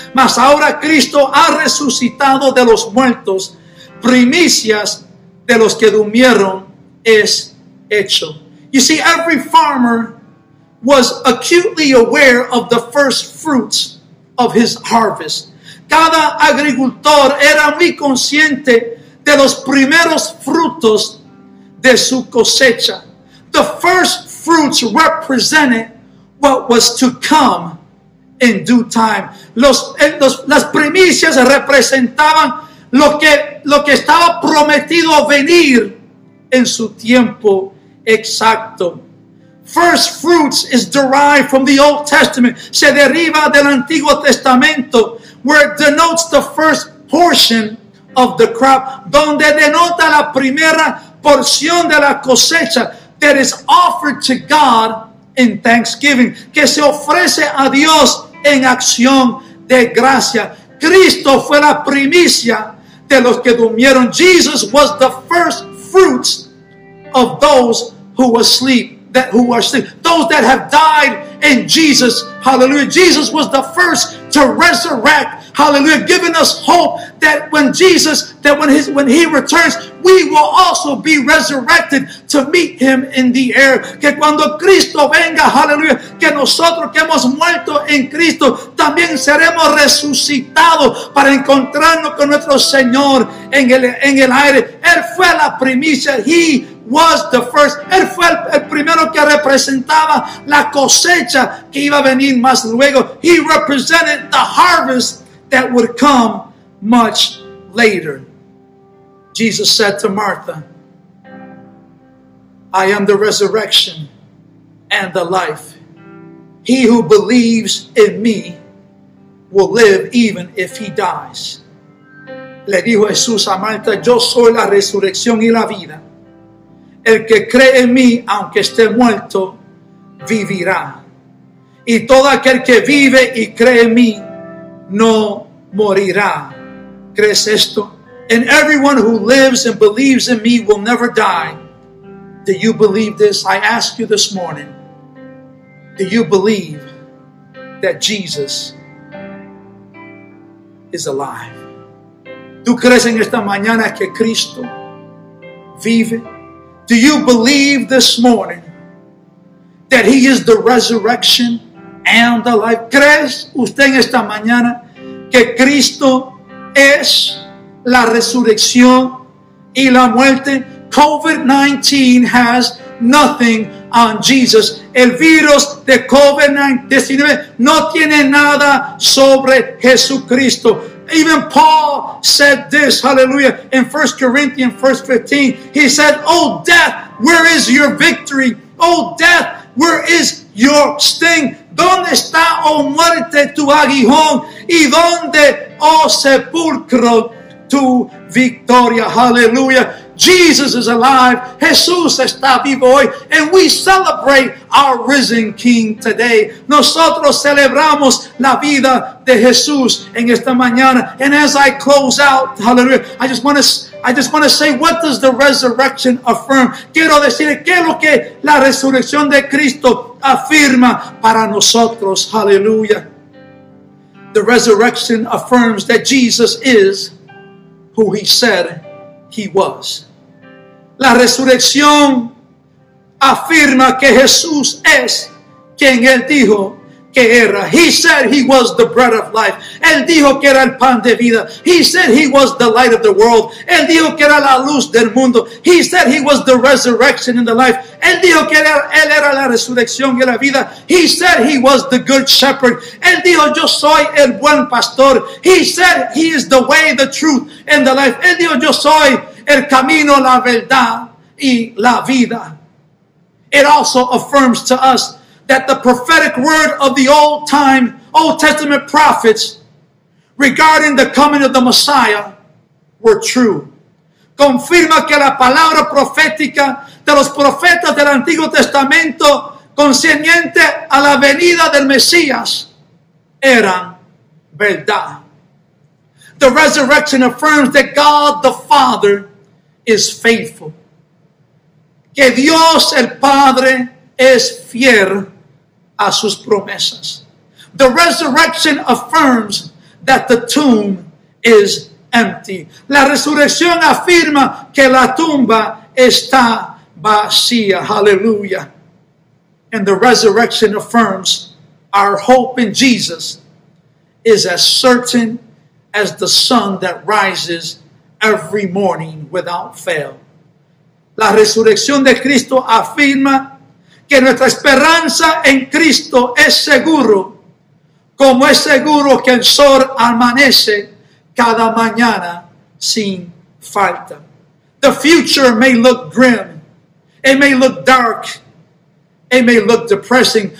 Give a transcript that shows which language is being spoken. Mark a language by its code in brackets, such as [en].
[es] Mas ahora Cristo ha resucitado de los muertos, primicias de los que durmieron es hecho. [en] You see, every farmer was acutely aware of the first fruits of his harvest. [es] Cada agricultor era muy consciente de los primeros frutos de su cosecha. [en] The first fruits represented what was to come in due time. [es] Las primicias representaban lo que estaba prometido venir en su tiempo exacto. [en] First fruits is derived from the Old Testament. [es] Se deriva del Antiguo Testamento, [en] where it denotes the first portion of the crop. [es] Donde denota la primera porción de la cosecha [en] that is offered to God in thanksgiving. [es] Que se ofrece a Dios en acción de gracia. Cristo fue la primicia de los que durmieron. [en] Jesus was the first fruits of those who were asleep. Those that have died in Jesus, hallelujah. Jesus was the first to resurrect Hallelujah. Giving us hope that when Jesus, that when he returns, we will also be resurrected to meet him in the air. [es] Que cuando Cristo venga, hallelujah, que nosotros que hemos muerto en Cristo, también seremos resucitados para encontrarnos con nuestro Señor en el aire. Él fue la primicia. [en] He was the first. [es] Él fue el primero que representaba la cosecha que iba a venir más luego. [en] He represented the harvest that would come much later. Jesus said to Martha, I am the resurrection and the life. He who believes in me will live even if he dies. [es] Le dijo Jesús a Martha, yo soy la resurrección y la vida. El que cree en mí, aunque esté muerto, vivirá. Y todo aquel que vive y cree en mí, no morirá. ¿Crees esto? [en] And everyone who lives and believes in me will never die. Do you believe this? I ask you this morning. Do you believe that Jesus is alive? [es] ¿Tú crees en esta mañana que Cristo vive? [en] Do you believe this morning that he is the resurrection and the life? [es] ¿Crees usted en esta mañana que Cristo es la resurrección y la muerte? [en] COVID-19 has nothing on Jesus. [es] El virus de COVID-19 no tiene nada sobre Jesucristo. [en] Even Paul said this, hallelujah, in 1 Corinthians 1:15. He said, oh death, where is your victory? Oh death, where is your sting? [es] ¿Dónde está, oh muerte, tu aguijón? ¿Y dónde, oh sepulcro, tu victoria? Hallelujah. [en] Jesus is alive. [es] Jesús está vivo hoy. [en] And we celebrate our risen King today. [es] Nosotros celebramos la vida de Jesús en esta mañana. [en] And as I close out, hallelujah, I just want to say, what does the resurrection affirm? [es] Quiero decir, ¿qué es lo que la resurrección de Cristo afirma para nosotros? Hallelujah. [en] The resurrection affirms that Jesus is who he said he was. [es] La resurrección afirma que Jesús es quien él dijo que era. [en] He said he was the bread of life. [es] Él dijo que era el pan de vida. [en] He said he was the light of the world. [es] Él dijo que era la luz del mundo. [en] He said he was the resurrection and the life. [es] Él dijo que él era la resurrección y la vida. [en] He said he was the good shepherd. [es] Él dijo, yo soy el buen pastor. [en] He said he is the way, the truth, and the life. [es] Él dijo, yo soy el camino, la verdad, y la vida. [en] It also affirms to us that the prophetic word of the Old Testament prophets regarding the coming of the Messiah were true. [es] Confirma que la palabra profética de los profetas del Antiguo Testamento concerniente a la venida del Mesías eran verdad. [en] The resurrection affirms that God the Father is faithful. [es] Que Dios el Padre es fiel a sus promesas. [en] The resurrection affirms that the tomb is empty. [es] La resurrección afirma que la tumba está vacía. Hallelujah. [en] And the resurrection affirms our hope in Jesus is as certain as the sun that rises every morning without fail. [es] La resurrección de Cristo afirma que nuestra esperanza en Cristo es seguro, como es seguro que el sol amanece cada mañana sin falta. [en] The future may look grim, it may look dark, it may look depressing.